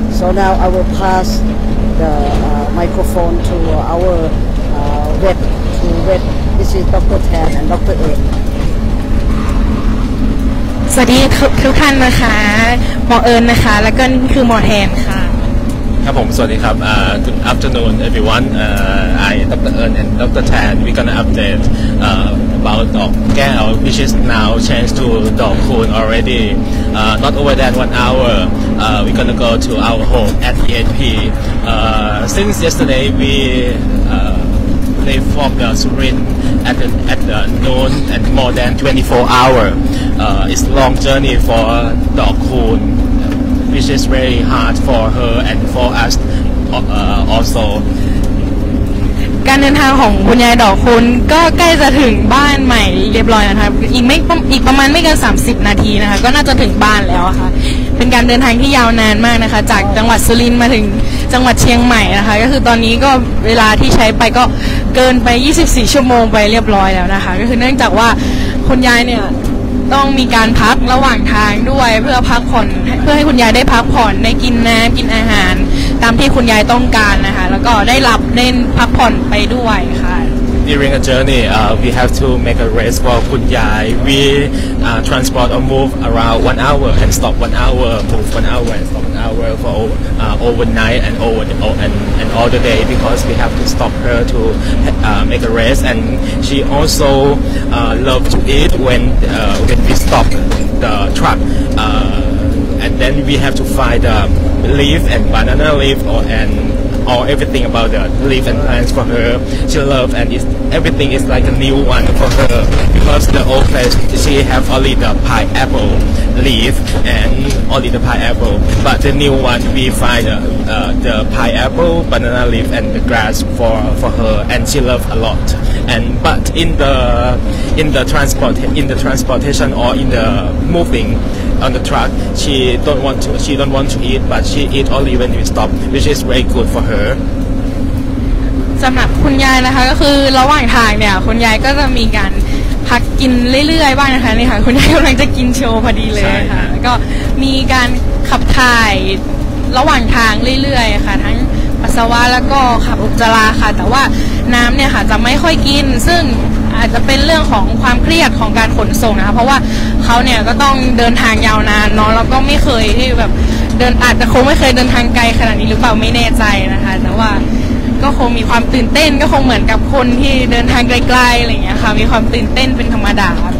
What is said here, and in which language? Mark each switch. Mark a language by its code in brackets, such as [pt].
[en] So now I will pass the microphone to our vet. This is Dr. Tan and Dr. A. [th] สวัสดีทุกท่านนะคะหมอเอิญนะคะแล้วก็นี่คือหมอแทนค่ะ ครับผมสวัสดีครับ [en] Good afternoon everyone I Dr. Earn and Dr. Tan we're gonna update about dog Gal which is now changed to dog Kun already not over than 1 hour we're gonna go to our home at EHP since yesterday weThey form the Surin at the noon and more than 24 hours. It's long journey for Dog Kun, which is very hard for her and for us also. [th] การเดินทางของคุณยายดอกคุณก็ใกล้จะถึงบ้านใหม่เรียบร้อยนะคะอีกประมาณไม่เกิน30นาทีนะคะก็น่าจะถึงบ้านแล้วค่ะเป็นการเดินทางที่ยาวนานมากนะคะจากจังหวัดสุรินทร์มาถึงจังหวัดเชียงใหม่นะคะก็คือตอนนี้ก็เวลาที่ใช้ไปก็เกินไป24ชั่วโมงไปเรียบร้อยแล้วนะคะก็คือเนื่องจากว่าคุณยายเนี่ย ต้องมีการพักระหว่างทางด้วยเพื่อพักผ่อนเพื่อให้คุณยายได้พักผ่อนได้กินน้ำกินอาหารตามที่คุณยายต้องการนะคะแล้วก็ได้หลับได้พักผ่อนไปด้วยค่ะ [en] During a journey we have to make a rest for คุณยาย we transport or move around 1 hour and stop 1 hour move 1 hour and stop 1 hour for overnight and over and all the day because we have to stop her to make a rest and she also love to eat when we stop the truck and then we have to find the leaf and banana leaf or everything about the leaf and plants for her she love and is everything is like a new one for her because the old place she have only the pineapple leaf and only the pineapple but the new one we find the pineapple banana leaf and the grass for her and she love a lot and but in the transportation or in the movingOn the truck, she don't want to eat, but she eat only when we stop, which is very good for her. [th] สำหรับคุณยายนะคะก็คือระหว่างทางเนี่ยคุณยายก็จะมีการพักกินเรื่อยๆบ้างนะคะนี่ค่ะคุณยายกำลังจะกินโชว์พอดีเลยค่ะแล้วก็มีการขับถ่าย ระหว่างทางเรื่อยๆค่ะทั้งปัสสาวะแล้วก็ขับอุจจาระค่ะแต่ว่าน้ำเนี่ยค่ะจะไม่ค่อยกินซึ่งอาจจะเป็นเรื่องของความเครียดของการขนส่งนะคะเพราะว่าเขาเนี่ยก็ต้องเดินทางยาวนานเนาะแล้วก็ไม่เคยที่แบบเดินอาจจะคงไม่เคยเดินทางไกลขนาดนี้หรือเปล่าไม่แน่ใจนะคะแต่ว่าก็คงมีความตื่นเต้นก็คงเหมือนกับคนที่เดินทางไกลๆอะไรเงี้ยค่ะมีความตื่นเต้นเป็นธรรมดา